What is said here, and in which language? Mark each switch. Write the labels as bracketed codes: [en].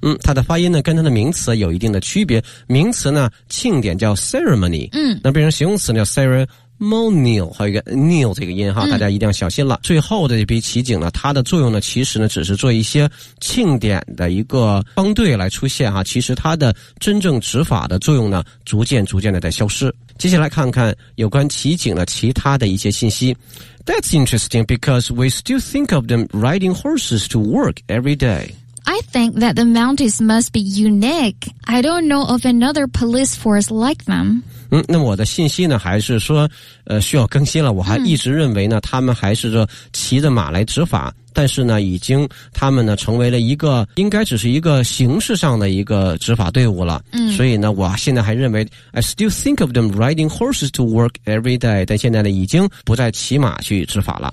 [zh] 它的发音呢跟它的名词有一定的区别，名词呢庆典叫 ceremony， 那变成形容词叫 ceremonial， 还有一个 nil 这个音哈，大家一定要小心了。最后的这批骑警呢，它的作用呢其实呢只是做一些庆典的一个帮队来出现哈，其实它的真正执法的作用呢逐渐逐渐的在消失。接下来看看有关骑警的其他的一些信息。 [en] That's interesting because we still think of them riding horses to work every day. I think that the Mounties must be unique. I don't know of another police force like them. [zh] 那么我的信息呢还是说需要更新了，我还一直认为呢他们还是说骑着马来执法，但是呢已经他们呢成为了一个应该只是一个形式上的一个执法队伍了。所以呢我现在还认为 [en] I still think of them riding horses to work every day， [zh] 但现在呢已经不再骑马去执法了。